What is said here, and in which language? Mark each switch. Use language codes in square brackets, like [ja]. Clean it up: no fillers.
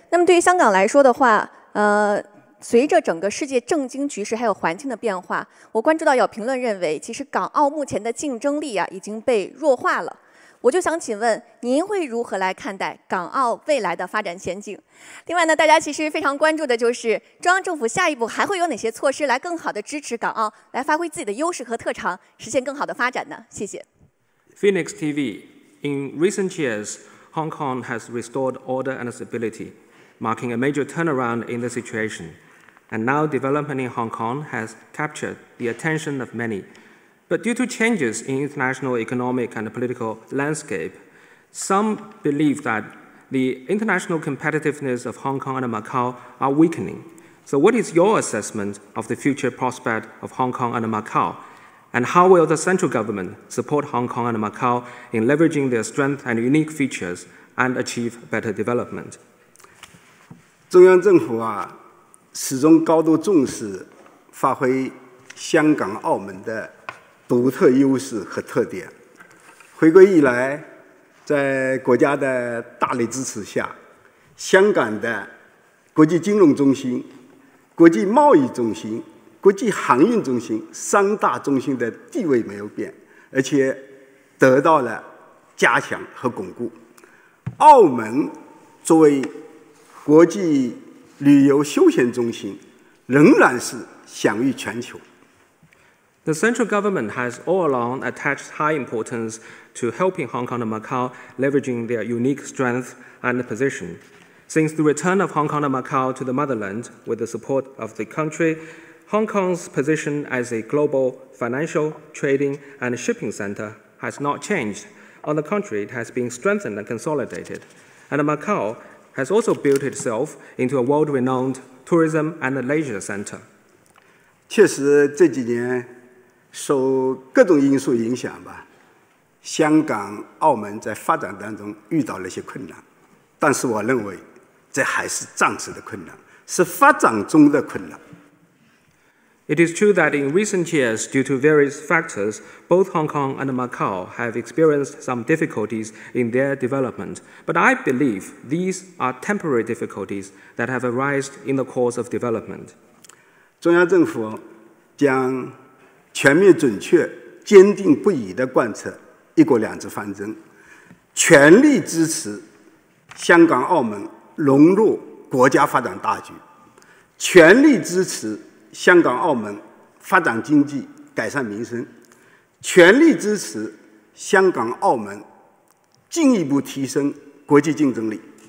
[zh] 那么对于香港来说的话，随着整个世界政经局势还有环境的变化，我关注到有评论认为其实港澳目前的竞争力啊已经被弱化了。我就想请问您会如何来看待港澳未来的发展前景？另外呢，大家其实非常关注的就是中央政府下一步还会有哪些措施来更好的支持港澳，来发挥自己的优势和特长，实现更好的发展呢？谢谢。 [en] Phoenix TV, in recent years, Hong Kong has restored order and stability, marking a major turnaround in the situation. And now development in Hong Kong has captured the attention of many. But due to changes in international economic and political landscape, some believe that the international competitiveness of Hong Kong and Macau are weakening. So what is your assessment of the future prospect of Hong Kong and Macau? And how will the central government support Hong Kong and Macau in leveraging their strength and unique features and achieve better development? [zh] 中央政府啊，始终高度重视发挥香港、澳门的独特优势和特点。回归以来，在国家的大力支持下，香港的国际金融中心、国际贸易中心、国际航运中心三大中心的地位没有变，而且得到了加强和巩固。澳门作为国际旅游休闲中心，仍然是享誉全球。 [en] The central government has all along attached high importance to helping Hong Kong and Macau leveraging their unique strength and position. Since the return of Hong Kong and Macau to the motherland with the support of the country, Hong Kong's position as a global financial, trading, and shipping center has not changed. On the contrary, it has been strengthened and consolidated. And Macau has also built itself into a world-renowned tourism and leisure center. [zh] 确实这几年受各种因素影响吧，香港、澳门在发展当中遇到了一些困难，但是我认为这还是暂时的困难，是发展中的困难。 [en] It is true that in recent years, due to various factors, both Hong Kong and Macau have experienced some difficulties in their development. But I believe these are temporary difficulties that have arisen in the course of development. [zh] 中央政府将全面准确、坚定不移地贯彻一国两制方针，全力支持香港、澳门融入国家发展大局，全力支持香港、澳门发展经济、改善民生，全力支持香港、澳门进一步提升国际竞争力。